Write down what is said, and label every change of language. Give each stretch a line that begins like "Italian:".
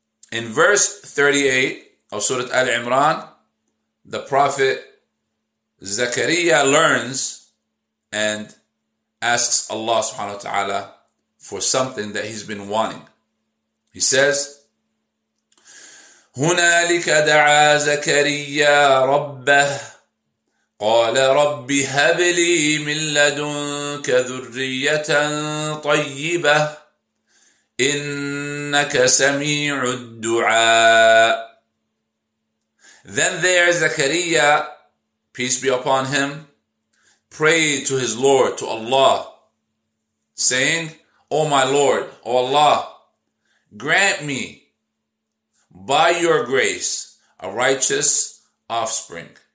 English: In verse 38 of Surat Al Imran, the Prophet Zakariya learns and asks Allah subhanahu wa ta'ala for something that he's been wanting.
Arabic: He says, هنالك دعا زكريا ربه قال ربي هب لي من لدنك ذرية طيبة إنك سميع الدعاء.
English: Then there Zakariya, peace be upon him, prayed to his Lord, to Allah, saying, O my Lord, O Allah, grant me by your grace, a righteous offspring.